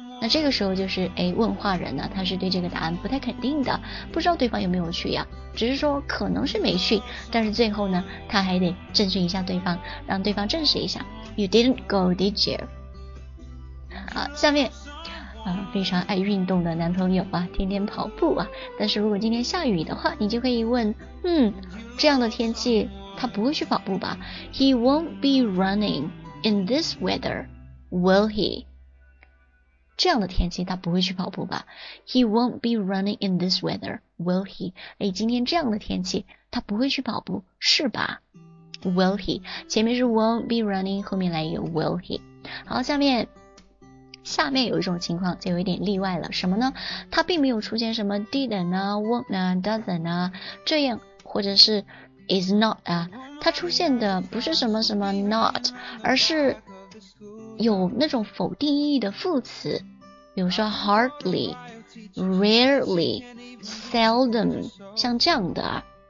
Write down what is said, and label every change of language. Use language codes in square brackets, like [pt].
[zh] 那这个时候就是问话人呢，他是对这个答案不太肯定的，不知道对方有没有去呀，只是说可能是没去，但是最后呢他还得证实一下对方，让对方证实一下。 [en] You didn't go, did you? [zh] 好，下面非常爱运动的男朋友啊，天天跑步啊，但是如果今天下雨的话，你就可以问这样的天气他不会去跑步吧？ [en] He won't be running in this weather, will he? [zh] 这样的天气他不会去跑步吧？ [en] He won't be running in this weather, will he? [zh] 哎，今天这样的天气他不会去跑步是吧？ [en] Will he? [zh] 前面是 won't be running, 后面来一个 will he? 好，下面有一种情况就有一点例外了，什么呢？他并没有出现什么 didn't 啊 won't 啊 doesn't 啊这样，或者是is not 啊，它出现的不是什么什么 not， 而是有那种否定意义的副词，比如说 hardly、 rarely、 seldom， 像这样的。